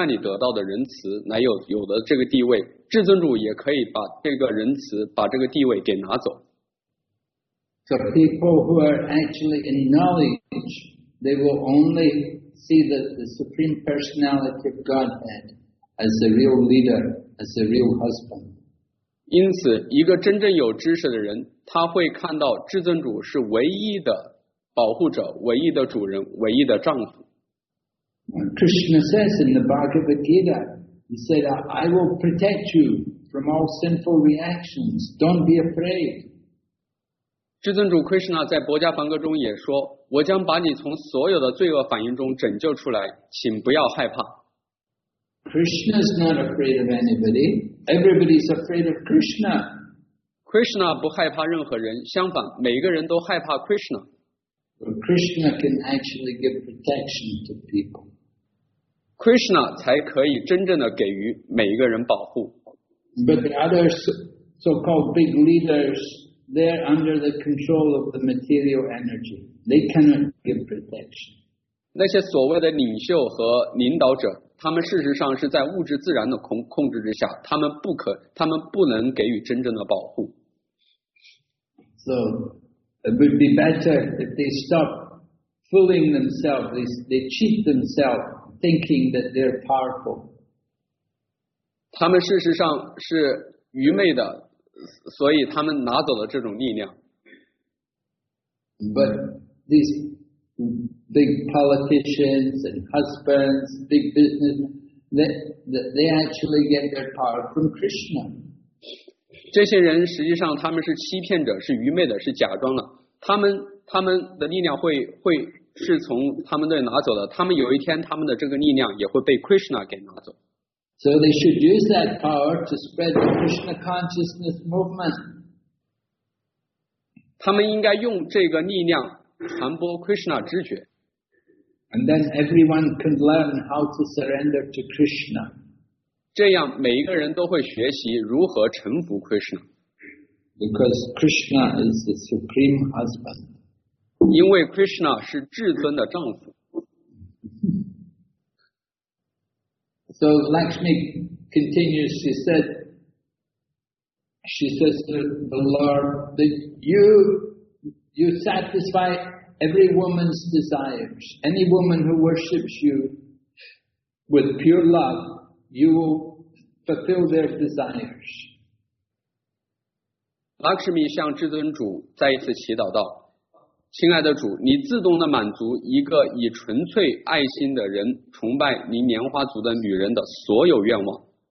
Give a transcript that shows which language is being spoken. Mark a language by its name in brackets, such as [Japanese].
[Chinese] 他们是从至尊主那里得到的仁慈来有的这个地位, 至尊主也可以把这个仁慈, 把这个地位给拿走。 [English] So people who are actually in knowledge, they will only see the Supreme Personality of Godhead as the real leader, as the real husband. [Chinese] 因此一个真正有知识的人, 他会看到至尊主是唯一的保护者, 唯一的主人, 唯一的丈夫。 [English] Krishna says in the Bhagavad Gita, He said, I will protect you from all sinful reactions. Don't be afraid. [Chinese] 至尊主 Krishna 在博迦梵歌中也说, 我将把你从所有的罪恶反应中拯救出来, 请不要害怕。 [English] Krishna is not afraid of anybody. Everybody is afraid of Krishna. [Chinese] Krishna 不害怕任何人, 相反, 每个人都害怕 Krishna. [English] But Krishna can actually give protection to people. [Chinese] Krishna 才可以真正的给予每一个人保护。 [English] But the other so-called big leaders, they're under the control of the material energy. They cannot give protection. [Chinese] 那些所谓的领袖和领导者，他们事实上是在物质自然的控制之下，他们不能给予真正的保护。 [English] So it would be better if they stop fooling themselves. They cheat themselves, thinking that they're powerful. [Chinese] 他们事实上是愚昧的，所以他们拿走了这种力量。 [English] But these big politicians and husbands, big businessmen, they actually get their power from Krishna. [Chinese] 这些人实际上他们是欺骗者，是愚昧的，是假装的。他们的力量会是从他们那拿走的。他们有一天他们的这个力量也会被 Krishna 给拿走。 [English] So they should use that power to spread the Krishna consciousness movement. [Chinese] 他们应该用这个力量传播 Krishna 知觉。 [English] And then everyone can learn how to surrender to Krishna. [Chinese] 这样每一个人都会学习如何臣服 Krishna. [English] Because Krishna is the supreme husband. [Chinese] 因为 Krishna 是至尊的丈夫。 [English] So Lakshmi continues, she says to the Lord that you satisfy every woman's desires. Any woman who worships you with pure love, you will fulfill their desires. [Chinese] Lakshmi 向至尊主再一次祈祷道，亲爱的主，你自动地满足一个以纯粹爱心的人崇拜您莲花族的女人的所有愿望。